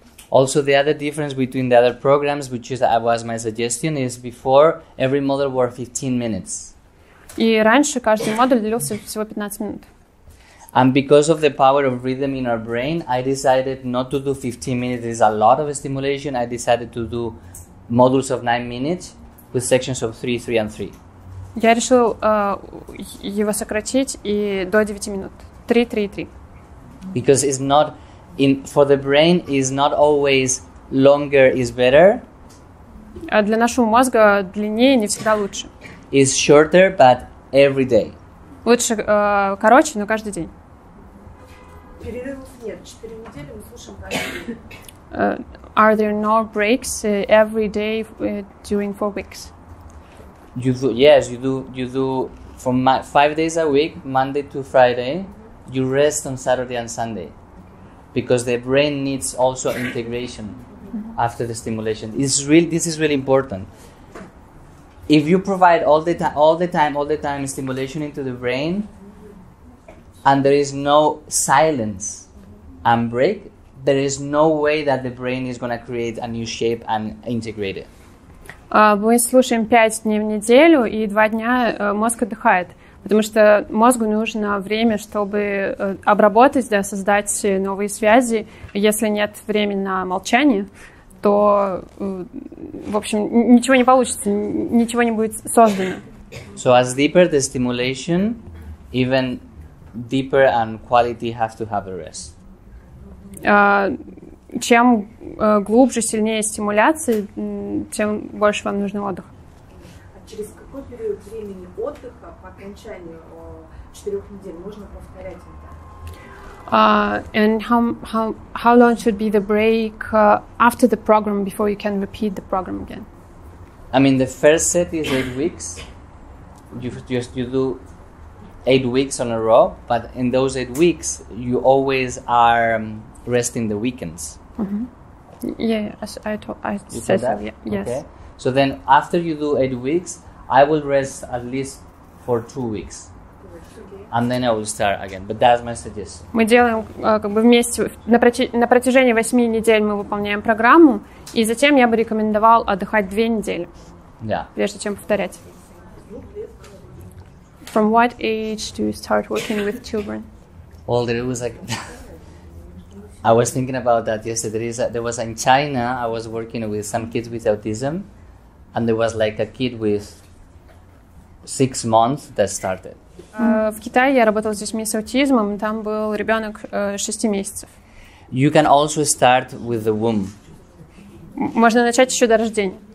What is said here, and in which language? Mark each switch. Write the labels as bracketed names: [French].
[English] Also, the other difference between the other programs, which is was my suggestion, is before every module were 15 minutes. [Russian] И раньше каждый модуль длился всего 15 минут. [English] And because of the power of rhythm in our brain, I decided not to do 15 minutes. It's a lot of stimulation. I decided to do modules of 9 minutes with sections of 3, 3, and 3. [Russian] Я решил его сократить и до 9 минут. [English] 3, 3, 3. Because it's not, for the brain, it's not always longer is better. [Russian] Для нашего мозга длиннее не всегда лучше. [English] It's shorter, but every day. [Russian] Лучше короче, но каждый день. [English] Are there no breaks every day during 4 weeks? You do, yes, you do. You do from 5 days a week, Monday to Friday. You rest on Saturday and Sunday, because the brain needs also integration after the stimulation. This is really important. If you provide all the time stimulation into the brain, and there is no silence and break, there is no way that the brain is going to create a new shape and integrate it. [Russian] Мы слушаем 5 дней в неделю, и 2 дня мозг отдыхает, потому что мозгу нужно время, чтобы обработать, да, создать новые связи. Если нет времени на молчание, то, в общем, ничего не получится, ничего не будет создано. [English] So as deeper the stimulation, even deeper and quality has to have a rest. [Russian] Чем глубже, сильнее стимуляции, тем больше вам нужен отдых. А через какой период времени отдыха по окончанию 4 недель можно повторять это? [English] And how long should be the break after the program before you can repeat the program again? I mean, the first set is 8 weeks. You do 8 weeks on a row, but in those 8 weeks, you always are resting the weekends. Mm-hmm. Yeah, I said that. Yeah, yes. Okay. So then, after you do 8 weeks, I will rest at least for 2 weeks. And then I will start again. But that's my suggestion. [Russian] Мы делаем как бы вместе на протяжении 8 недель мы выполняем программу, и затем я бы рекомендовал отдыхать 2 недели. Да. Прежде чем повторять. [English] From what age do you start working with children? Well, there was like I was thinking about that yesterday. There was in China, I was working with some kids with autism, and there was like a kid with 6 months that started. [Russian] В Китае я работала с детьми с аутизмом, там был ребенок 6 месяцев. [English] You can also start with the womb. [Russian] Можно начать еще до рождения.